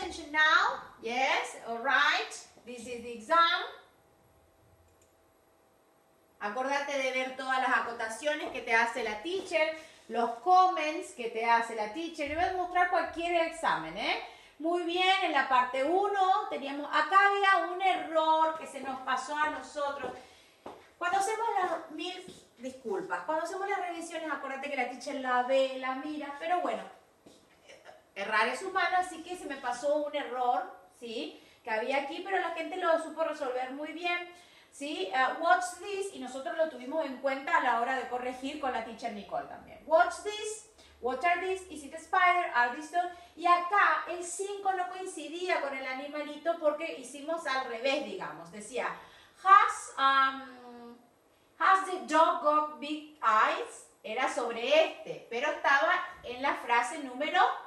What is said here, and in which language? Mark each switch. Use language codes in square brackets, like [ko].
[en] Now, yes, all right, this is the exam. [es] Acordate de ver todas las acotaciones que te hace la teacher, los comments que te hace la teacher. Yo voy a mostrar cualquier examen, ¿eh? Muy bien, en la parte 1 teníamos, acá había un error que se nos pasó a nosotros. Cuando hacemos las mil disculpas, cuando hacemos las revisiones, acordate que la teacher la ve, la mira, pero bueno. Errar es humano, así que se me pasó un error, ¿sí? Que había aquí, pero la gente lo supo resolver muy bien, ¿sí? [en] Watch this, [es] y nosotros lo tuvimos en cuenta a la hora de corregir con la teacher Nicole también. [en] Watch this, what are these, is it a spider, are these dogs? [es] Y acá el 5 no coincidía con el animalito porque hicimos al revés, digamos. Decía, [en] has the dog got big eyes? [es] Era sobre este, pero estaba en la frase número...